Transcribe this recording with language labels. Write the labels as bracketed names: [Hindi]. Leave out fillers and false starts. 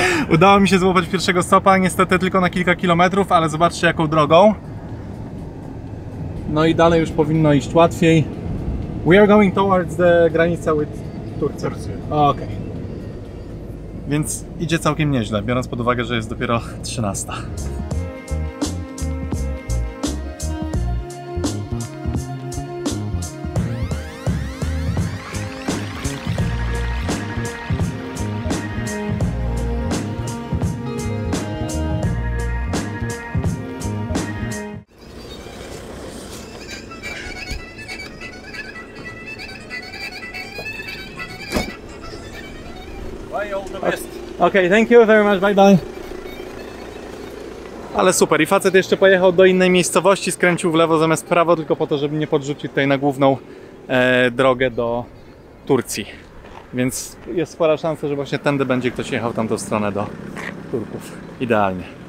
[Polish] Udało mi się złapać pierwszego stopa, niestety tylko na kilka kilometrów, ale zobaczcie, jaką drogą. No i dalej już powinno iść łatwiej. [English] We are going towards the granica with Turcja. Okay. [Polish] Więc idzie całkiem nieźle, biorąc pod uwagę, że jest dopiero 13. [English] Okay, thank you very much, bye bye. [Polish] Ale super, i facet jeszcze pojechał do innej miejscowości, skręcił w lewo zamiast w prawo, tylko po to, żeby nie podrzucić tutaj na główną drogę do Turcji. Więc jest spora szansa, że właśnie tędy będzie ktoś jechał tamtą stronę do Turków. Idealnie.